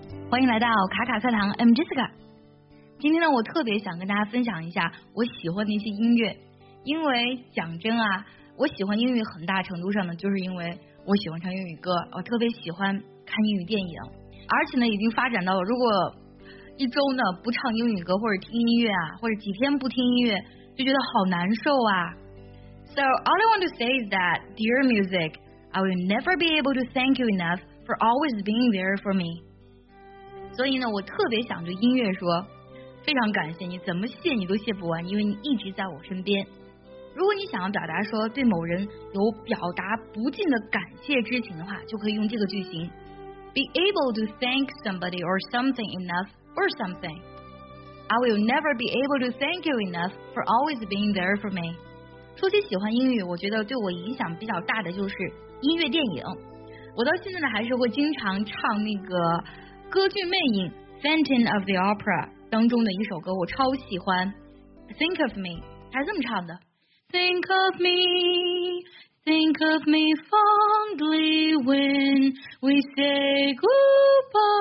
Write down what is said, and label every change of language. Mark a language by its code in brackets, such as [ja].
[zh] 欢迎来到卡卡课堂 ， [en] I'm Jessica。 [zh] 今天呢，我特别想跟大家分享一下我喜欢的一些音乐，因为讲真啊，我喜欢英语很大程度上呢，就是因为我喜欢唱英语歌，我特别喜欢看英语电影，而且呢，已经发展到如果一周呢不唱英语歌或者听音乐啊，或者几天不听音乐，就觉得好难受啊。 [en] So all I want to say is that, dear music, I will never be able to thank you enough for always being there for me. [zh] 所以呢，我特别想对音乐说，非常感谢你，怎么谢你都谢不完，因为你一直在我身边。如果你想要表达说对某人有表达不尽的感谢之情的话，就可以用这个句型 ： [en] Be able to thank somebody or something enough or something. I will never be able to thank you enough for always being there for me. [zh] 说起喜欢英语，我觉得对我影响比较大的就是音乐电影。我到现在呢，还是会经常唱那个。歌剧魅影 Phantom of the Opera 当中的一首歌我超喜欢 [en] Think of me 还这么唱的 Think of me Think of me fondly when we say goodbye